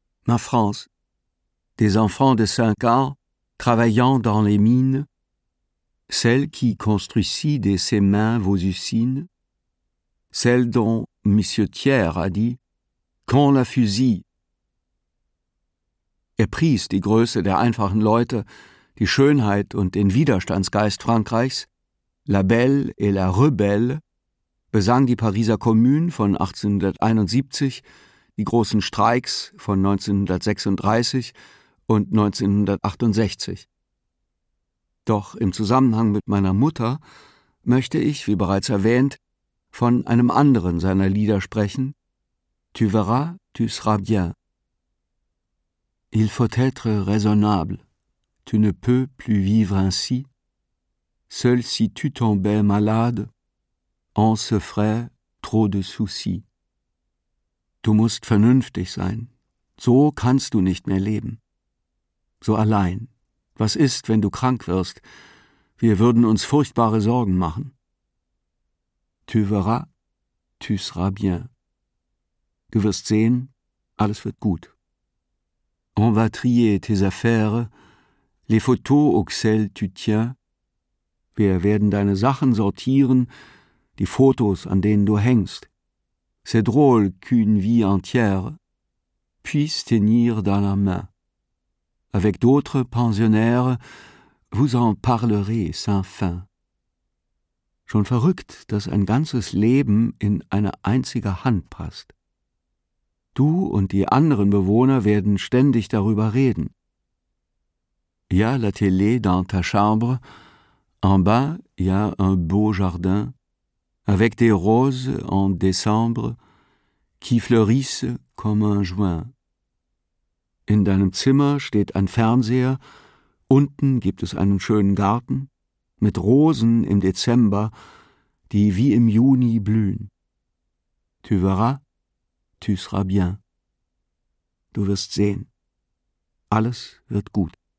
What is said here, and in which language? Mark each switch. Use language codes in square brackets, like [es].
[fr] Ma France, des enfants de 5 ans travaillant dans les mines, celles qui construisit de ses mains vos usines, celles dont Monsieur Thiers a dit qu'on la fusille. [de] Er pries die Größe der einfachen Leute, die Schönheit und den Widerstandsgeist Frankreichs, La Belle et la Rebelle, besang die Pariser Kommune von 1871, die großen Streiks von 1936 und 1968. Doch im Zusammenhang mit meiner Mutter möchte ich, wie bereits erwähnt, von einem anderen seiner Lieder sprechen, Tu verras, tu seras bien. [fr] Il faut être raisonnable, tu ne peux plus vivre ainsi. Seul si tu tombais malade, on se ferait trop de soucis. [de] Du musst vernünftig sein, so kannst du nicht mehr leben. So allein, was ist, wenn du krank wirst? Wir würden uns furchtbare Sorgen machen. [fr] Tu verras, tu seras bien. [de] Du wirst sehen, alles wird gut. [fr] On va trier tes affaires, les photos auxquelles tu tiens. [de] Wir werden deine Sachen sortieren, die Fotos, an denen du hängst. [fr] C'est drôle qu'une vie entière puisse tenir dans la main. Avec d'autres pensionnaires, vous en parlerez sans fin. [de] Schon verrückt, dass ein ganzes Leben in eine einzige Hand passt. Du und die anderen Bewohner werden ständig darüber reden. [fr] Il y a la télé dans ta chambre. En bas, il y a un beau jardin, avec des roses en décembre, qui fleurissent comme un juin. [de] In deinem Zimmer steht ein Fernseher, unten gibt es einen schönen Garten, mit Rosen im Dezember, die wie im Juni blühen. [fr] Tu verras, tu seras bien. [de] Du wirst sehen, alles wird gut.